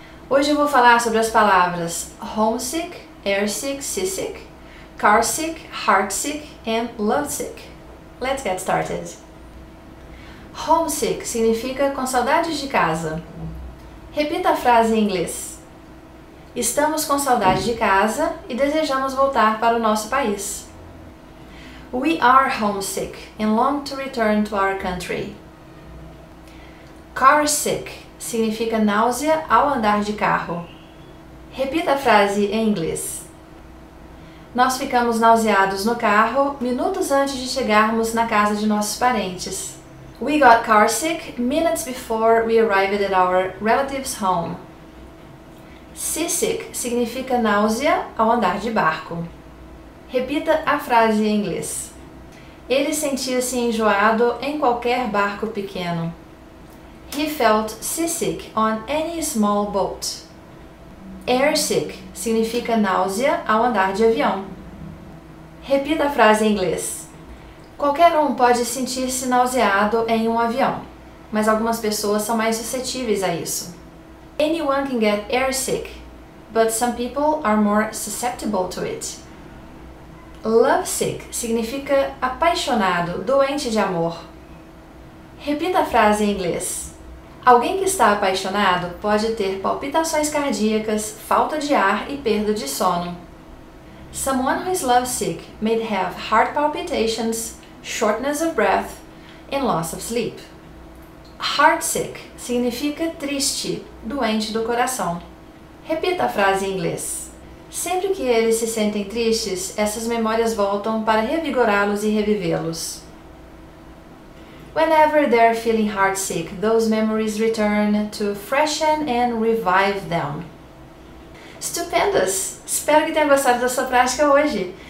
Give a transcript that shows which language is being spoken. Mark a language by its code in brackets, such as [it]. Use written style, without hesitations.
[pt] Hoje eu vou falar sobre as palavras homesick, airsick, seasick, carsick, heartsick and lovesick. [en] Let's get started. [pt] Homesick significa com saudades de casa. Repita a frase em inglês. Estamos com saudade de casa e desejamos voltar para o nosso país. [en] We are homesick and long to return to our country. [pt] Carsick significa náusea ao andar de carro. Repita a frase em inglês. Nós ficamos nauseados no carro minutos antes de chegarmos na casa de nossos parentes. [en] We got carsick minutes before we arrived at our relative's home. [pt] Seasick significa náusea ao andar de barco. Repita a frase em inglês. Ele sentia-se enjoado em qualquer barco pequeno. [en] He felt seasick on any small boat. [pt] Airsick significa náusea ao andar de avião. Repita a frase em inglês. Qualquer um pode sentir-se nauseado em um avião, mas algumas pessoas são mais suscetíveis a isso. [en] Anyone can get airsick, but some people are more susceptible to it. [pt] Lovesick significa apaixonado, doente de amor. Repita a frase em inglês. Alguém que está apaixonado pode ter palpitações cardíacas, falta de ar e perda de sono. [en] Someone who is lovesick may have heart palpitations, shortness of breath, and loss of sleep. [pt] Heartsick significa triste, doente do coração. Repita a frase em inglês. Sempre que eles se sentem tristes, essas memórias voltam para revigorá-los e revivê-los. [en] Whenever they're feeling heartsick, those memories return to freshen and revive them. Stupendous! [pt] Espero que tenha gostado da sua prática hoje.